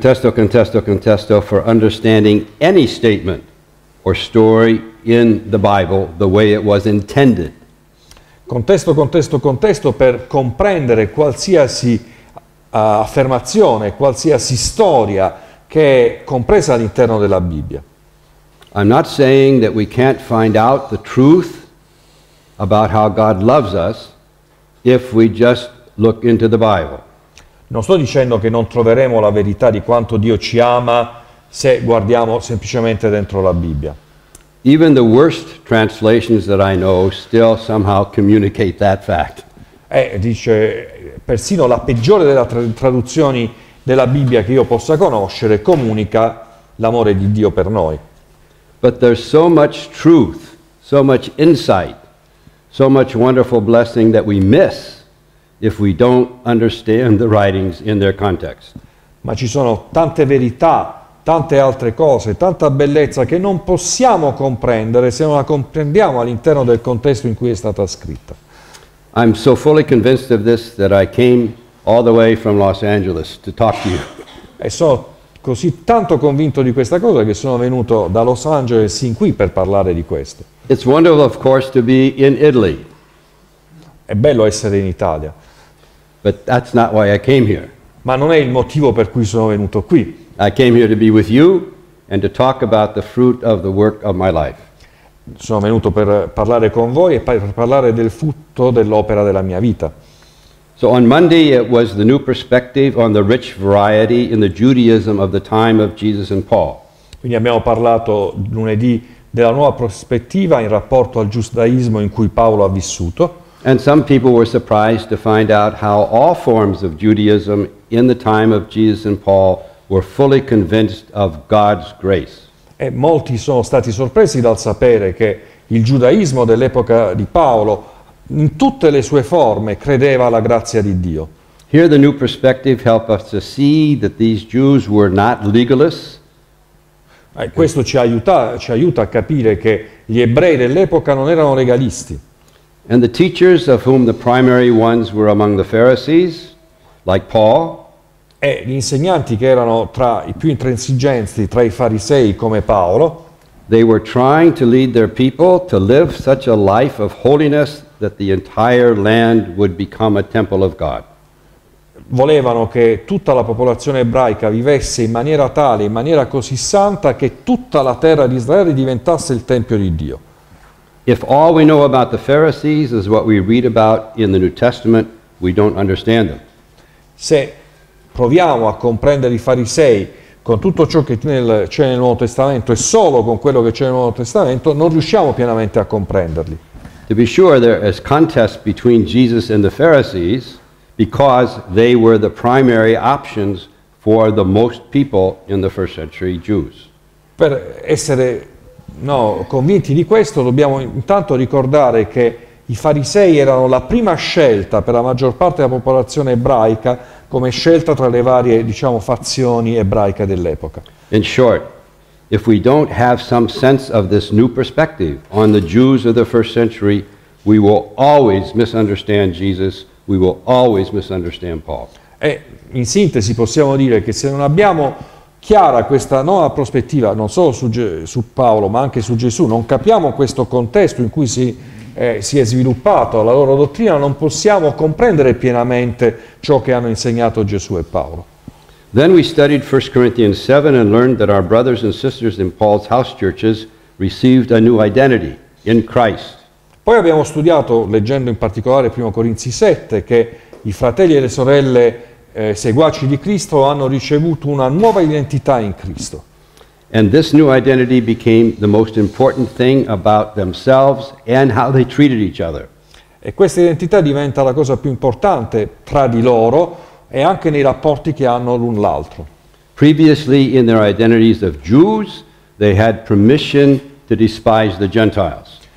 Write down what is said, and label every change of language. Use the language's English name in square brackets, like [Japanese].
[English] Contesto for understanding any statement or story in the Bible the way it was intended. [Italian] Contesto per comprendere qualsiasi affermazione, qualsiasi storia che è compresa all'interno della Bibbia. [English] I'm not saying that we can't find out the truth about how God loves us if we just look into the Bible. [Italian] Non sto dicendo che non troveremo la verità di quanto Dio ci ama se guardiamo semplicemente dentro la Bibbia. [English] Even the worst translations that I know still somehow communicate that fact. [Italian] Dice persino la peggiore delle traduzioni della Bibbia che io possa conoscere comunica l'amore di Dio per noi. [English] But there's so much truth, so much insight, so much wonderful blessing that we miss if we don't understand the writings in their context. [Italian] Ma ci sono tante verità, tante altre cose, tanta bellezza che non possiamo comprendere se non la comprendiamo all'interno del contesto in cui è stata scritta. [English] I'm so fully convinced of this that I came all the way from Los Angeles to talk to you. [Italian] E sono così tanto convinto di questa cosa che sono venuto da Los Angeles sin qui per parlare di questo. [English] It's wonderful, of course, to be in Italy. [Italian] È bello essere in Italia. [English] But that's not why I came here. [Italian] Ma non è il motivo per cui sono venuto qui. [English] I came here to be with you and to talk about the fruit of the work of my life. [Italian] Sono venuto per parlare con voi e per parlare del frutto dell'opera della mia vita. [English] So on Monday it was the new perspective on the rich variety in the Judaism of the time of Jesus and Paul. [Italian] Quindi abbiamo parlato lunedì della nuova prospettiva in rapporto al giudaismo in cui Paolo ha vissuto. [English] And some people were surprised to find out how all forms of Judaism in the time of Jesus and Paul were fully convinced of God's grace. [Italian] E molti sono stati sorpresi dal sapere che il giudaismo dell'epoca di Paolo in tutte le sue forme credeva alla grazia di Dio. [English] Here the new perspective help us to see that these Jews were not legalists. [Italian] Questo ci aiuta a capire che gli ebrei dell'epoca non erano legalisti. [English] And the teachers of whom the primary ones were among the Pharisees, like Paul. [Italian] E gli insegnanti che erano tra i più intransigenti, tra i farisei come Paolo. [English] They were trying to lead their people to live such a life of holiness that the entire land would become a temple of God. [Italian] volevano che tutta la popolazione ebraica vivesse in maniera tale, in maniera così santa, che tutta la terra di Israele diventasse il Tempio di Dio. [English] If all we know about the Pharisees is what we read about in the New Testament, we don't understand them. [Italian] Se proviamo a comprendere i farisei con tutto ciò che c'è nel Nuovo Testamento e solo con quello che c'è nel Nuovo Testamento, non riusciamo pienamente a comprenderli. [English] To be sure, there is contest between Jesus and the Pharisees because they were the primary options for the most people in the first century Jews. [Italian] Per essere convinti di questo, dobbiamo intanto ricordare che i farisei erano la prima scelta per la maggior parte della popolazione ebraica come scelta tra le varie, diciamo, fazioni ebraiche dell'epoca. [English] In short, if we don't have some sense of this new perspective on the Jews of the first century, we will always misunderstand Jesus, we will always misunderstand Paul. [Italian] E in sintesi possiamo dire che se non abbiamo chiara questa nuova prospettiva, non solo su Paolo, ma anche su Gesù, non capiamo questo contesto in cui si è sviluppato la loro dottrina, non possiamo comprendere pienamente ciò che hanno insegnato Gesù e Paolo. [English] Then we studied 1 Corinthians 7 and learned that our brothers and sisters in Paul's house churches received a new identity in Christ. [Italian] Poi abbiamo studiato, leggendo in particolare 1 Corinzi 7, che i fratelli e le sorelle seguaci di Cristo hanno ricevuto una nuova identità in Cristo. [English] And this new identity became the most important thing about themselves and how they treated each other. [Italian] E questa identità diventa la cosa più importante tra di loro e anche nei rapporti che hanno l'un l'altro. [English] Previously, in their identities of Jews, they had permission to despise the Gentiles.